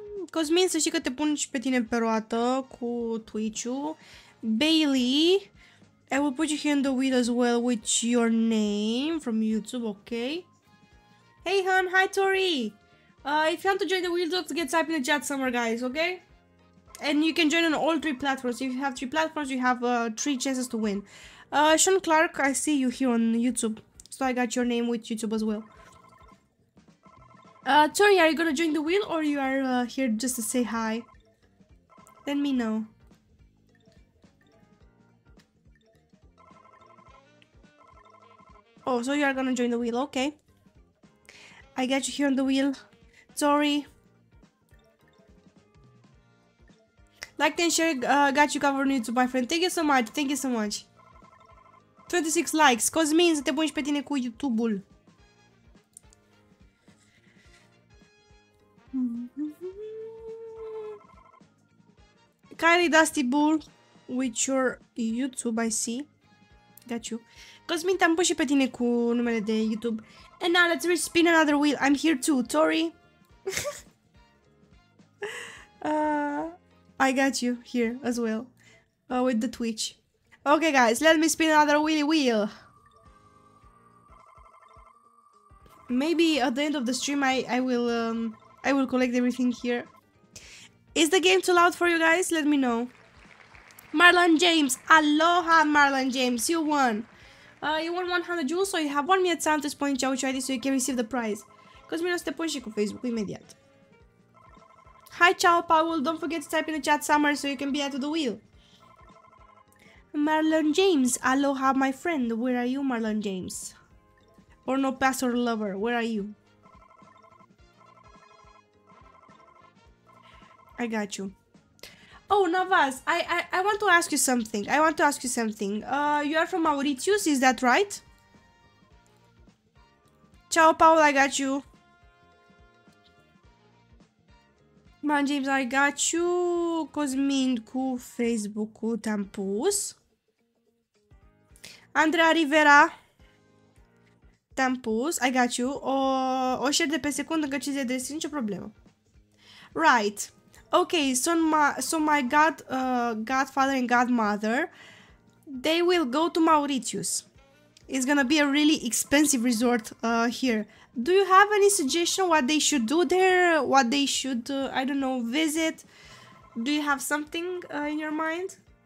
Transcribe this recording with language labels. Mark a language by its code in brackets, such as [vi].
[ro] Cosmin, să știi că te pun și pe tine pe roată cu Twitch-ul. [en] Bailey, I will put you here in the wheel as well with your name from YouTube, okay? Hey, hon. Hi, Tori. If you want to join the wheel, don't forget to type in the chat somewhere, guys, okay? And you can join on all three platforms. If you have three platforms, you have three chances to win. Sean Clark, I see you here on YouTube. So I got your name with YouTube as well. Tori, are you gonna join the wheel or you are here just to say hi? Let me know. Oh, so you are gonna join the wheel, okay. I got you here on the wheel. Sorry. Like and share, got you covered on YouTube, my friend. Thank you so much. Thank you so much. 26 likes. [ro] Cosmin, să te pun și pe tine cu YouTube-ul. [en] Kylie Dusty Bull with your YouTube, I see. Got you. [ro] Cosmin, te-am pus și pe tine cu numele de YouTube. [en] And now let's re-spin another wheel. I'm here too. Tori. I got you here as well with the Twitch. Okay, guys, let me spin another wheelie wheel. Maybe at the end of the stream I will collect everything here. Is the game too loud for you guys? Let me know. Marlon James, aloha, Marlon James, you won. You won 100 jewels, so you have 1 minute time to spawn Chow Charlie so you can receive the prize. [ro] Cosmin, o să te pun și cu Facebook imediat. [en] Hi, ciao, Paul. Don't forget to type in the chat somewhere so you can be at the wheel. Marlon James, aloha, my friend. Where are you, Marlon James? Or no, pastor lover, where are you? I got you. Oh, Navas, I want to ask you something. You are from Mauritius, is that right? Ciao, Paul, I got you. Man, James, I got you. [ro] Cosmin cu Facebook-ul te-am pus. [en] Andrea Rivera, [ro] te-am pus. [en] I got you. [ro] O share de pe secundă, încă 50 de sunt, nicio problemă. [en] Right. Ok, so my godfather and godmother, they will go to Mauritius. It's gonna be a really expensive resort here. Do you have any suggestion what they should do there? What they should, I don't know, visit? Do you have something in your mind?